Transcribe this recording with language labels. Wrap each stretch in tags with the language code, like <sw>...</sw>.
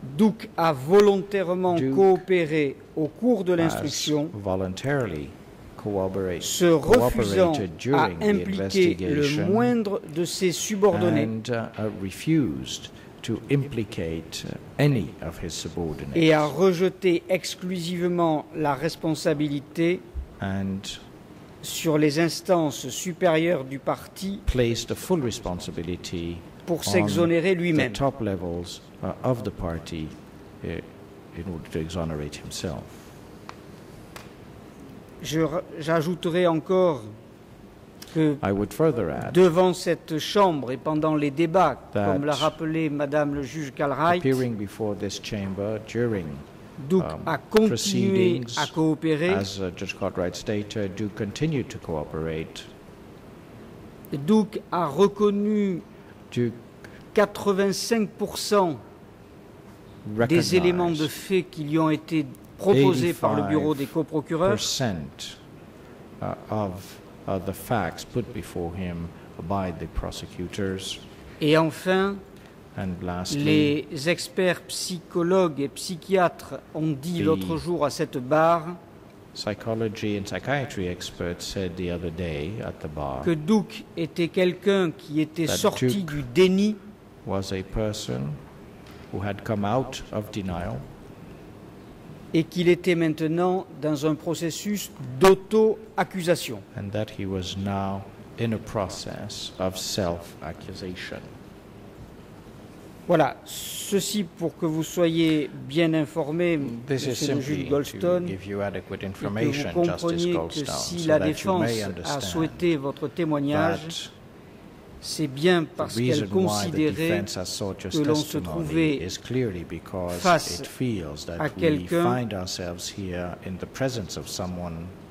<fr>Duke a volontairement coopéré au cours de l'instruction,</fr> <en>voluntarily cooperated,</en> <fr>se refusant à impliquer le moindre de ses subordonnés,</fr> <en>and refused to implicate any of his subordinates,</en> <fr>et a rejeté exclusivement la responsabilité</fr> <en>and</en> <fr>sur les instances supérieures du parti,</fr> <en>placed a full responsibility</en> <fr>pour s'exonérer lui-même.</fr> <en>The top levels of the party in order to exonerate himself.</en> <fr>J'ajouterai encore que</fr> <en>I would further add</en> <fr>devant cette chambre et pendant les débats, comme l'a rappelé Madame le juge Galright,</fr> <en>appearing before this chamber during</en> <fr>Duke a continué à coopérer.</fr> <en>As Judge Cartwright stated, Duke continued to cooperate.</en> <fr>Duke a reconnu</fr> <en>Duke</en> <fr>85% des éléments de fait qui lui ont été proposés par le bureau des coprocureurs.</fr> <en>85% of the facts put before him by the prosecutors.</en> <fr>Et enfin,</fr> <en>and lastly,</en> <fr>les experts psychologues et psychiatres ont dit l'autre jour à cette barre,</fr> <en>psychology and psychiatry experts said the other day at the bar,</en> <fr>que Duke était quelqu'un qui était sorti</fr> <en>Duke</en> <fr>du déni,</fr> <en>was a person who had come out of denial,</en> <fr>et qu'il était maintenant dans un processus d'auto-accusation,</fr> <en>and that he was now in a process of self-accusation.</en> <fr>Voilà, ceci pour que vous soyez bien informé, Monsieur le juge Goldstone,</fr> <en>to give you adequate</en> <fr>information, et que vous compreniez que si</fr> <en>so</en> <fr>la défense a souhaité votre témoignage, c'est bien parce qu'elle considérait que l'on se trouvait face</fr> <en>it feels that</en> <fr>à quelqu'un</fr> <en>we find ourselves here in the presence of someone</en>